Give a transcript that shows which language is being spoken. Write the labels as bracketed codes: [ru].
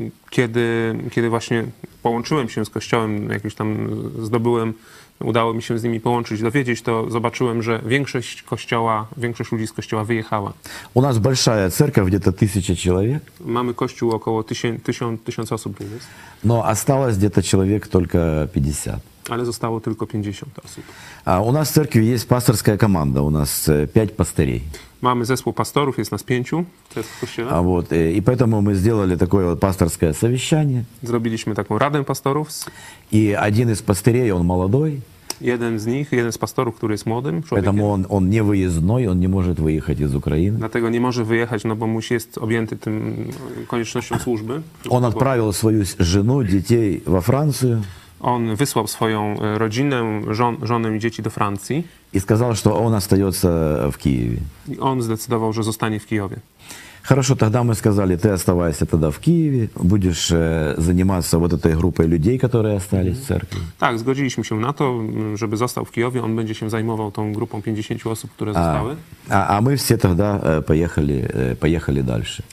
[pl] Kiedy właśnie połączyłem się z kościołem, jakieś tam zdobyłem, udało mi się z nimi połączyć, dowiedzieć, to zobaczyłem, że większość kościoła, większość ludzi z kościoła wyjechała. [ru] У нас большая церковь, где-то 1000 человек. [pl] Mamy kościół około 1000 osób. [ru] Но осталось где-то человек только 50. [pl] Ale zostało tylko 50 osób. [ru] А у нас в церкви есть пасторская команда, у нас 5 пастырей. [pl] Mamy zespół pastorów, jest nas 5 w kościele. [ru] А вот, и поэтому мы сделали такое вот пасторское совещание. [pl] Zrobiliśmy taką radę pastorów. [ru] I один из пастырей, он молодой. [pl] Jeden z nich, jeden z pastorów, który jest młodym człowiekiem. [ru] Поэтому он не выездной, он не может выехать из Украины. [pl] Dlatego nie może wyjechać, no bo musi jest objęty tym koniecznością służby. [ru] Он отправил свою жену, детей во Францию. [pl] On wysłał swoją rodzinę, żonę i dzieci do Francji. [ru] I сказал, что он остается в Киеве. [pl] I on zdecydował, że zostanie w Kijowie. [ru] Хорошо, тогда мы сказали, ты оставайся тогда в Киеве, будешь заниматься вот этой группой людей, которые остались в церкви. [pl] Tak, zgodziliśmy się na to, żeby został w Kijowie, on będzie się zajmował tą grupą 50 osób, które zostały. [ru] A my все тогда поехали дальше.